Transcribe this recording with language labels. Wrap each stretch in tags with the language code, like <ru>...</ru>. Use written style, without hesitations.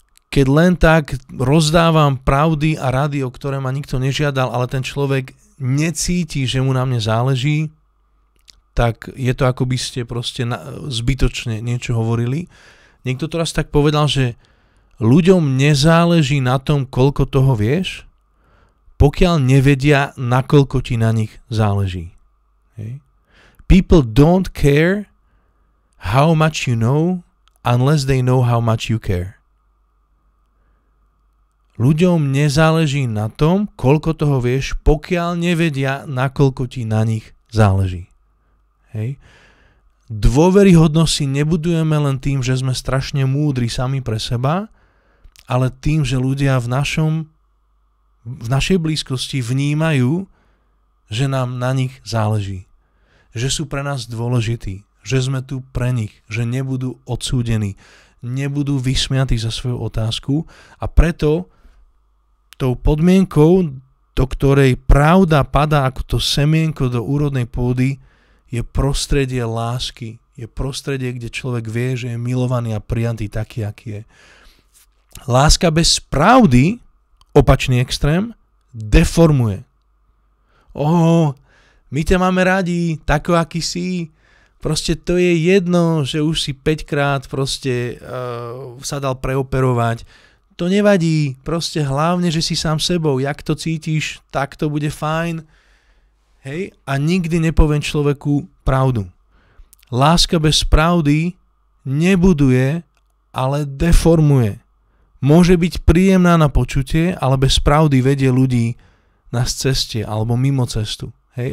<sk>Keď len tak rozdávam pravdy a rady, o ktoré ma nikto nežiadal, ale ten človek necíti, že mu na mne záleží, tak je to, ako by ste proste zbytočne niečo hovorili. Niekto to raz tak povedal, že ľuďom nezáleží na tom, koľko toho vieš, pokiaľ nevedia, nakoľko ti na nich záleží.</sk> <en>Okay? People don't care how much you know unless they know how much you care.</en> <sk>Ľuďom nezáleží na tom, koľko toho vieš, pokiaľ nevedia, nakoľko ti na nich záleží. Hej. Dôveryhodnosť si nebudujeme len tým, že sme strašne múdri sami pre seba, ale tým, že ľudia v našej blízkosti vnímajú, že nám na nich záleží. Že sú pre nás dôležití. Že sme tu pre nich. Že nebudú odsúdení. Nebudú vysmiatí za svoju otázku. A preto tou podmienkou, do ktorej pravda padá ako to semienko do úrodnej pôdy, je prostredie lásky. Je prostredie, kde človek vie, že je milovaný a prijatý taký, aký je. Láska bez pravdy, opačný extrém, deformuje. My ťa máme radi, tako, aký si. Proste to je jedno, že už si 5-krát proste sa dal preoperovať. To nevadí, proste hlavne, že si sám sebou. Jak to cítiš, tak to bude fajn. Hej, a nikdy nepoviem človeku pravdu. Láska bez pravdy nebuduje, ale deformuje. Môže byť príjemná na počutie, ale bez pravdy vedie ľudí na ceste alebo mimo cestu. Hej?</sk>